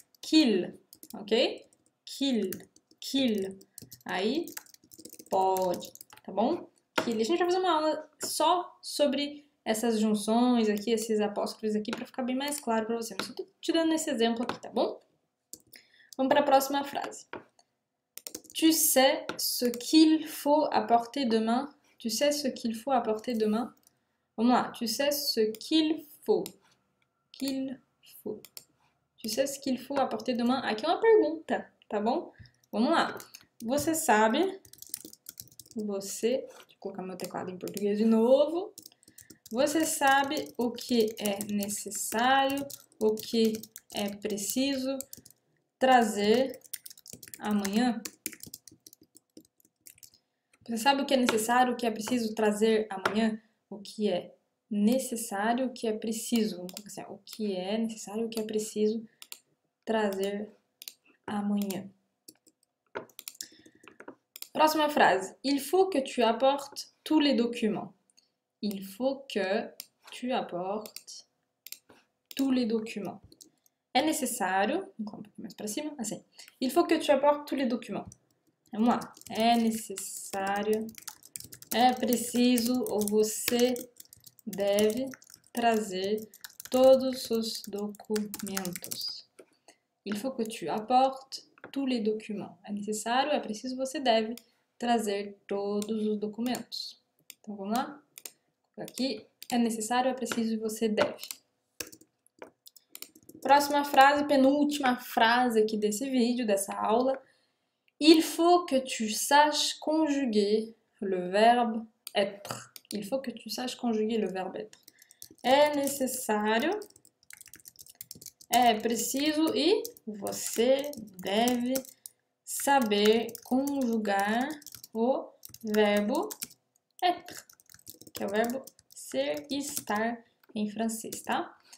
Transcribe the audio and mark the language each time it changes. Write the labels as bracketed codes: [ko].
[fr] Qu'il, ok? Qu'il. Aí. [pt] Pode, tá bom? Aqui, a gente vai fazer uma aula só sobre essas junções aqui, esses apóstrofes aqui, para ficar bem mais claro para você. Mas eu tô te dando esse exemplo aqui, tá bom? Vamos para a próxima frase. [fr] Tu sais ce qu'il faut apporter demain? Tu sais ce qu'il faut apporter demain? [pt] Vamos lá. [fr] Tu sais ce qu'il faut? Qu'il faut? Tu sais ce qu'il faut apporter demain? [pt] Aqui é uma pergunta, tá bom? Vamos lá. Você sabe? Deixa eu colocar meu teclado em português de novo. Você sabe o que é necessário, o que é preciso trazer amanhã? Você sabe o que é necessário, o que é preciso trazer amanhã? O que é necessário, o que é preciso? Vamos começar. O que é necessário, o que é preciso trazer amanhã? Próxima frase. [fr] Il faut que tu apportes tous les documents. Il faut que tu apportes tous les documents. [pt] É necessário. Vou colocar um pouco mais para cima. Assim. [fr] Il faut que tu apportes tous les documents. [pt] Vamos lá. É necessário. É preciso ou você deve trazer todos os documentos. [fr] Il faut que tu apportes tous les documents. [pt] É necessário, é preciso, você deve trazer todos os documentos. Então vamos lá? Aqui é necessário, é preciso e você deve. Próxima frase, penúltima frase aqui desse vídeo, dessa aula. [fr] Il faut que tu saches conjuguer le verbe être. Il faut que tu saches conjuguer le verbe être. [pt] É necessário, é preciso e você deve saber conjugar o verbo être, que é o verbo ser, estar em francês, tá?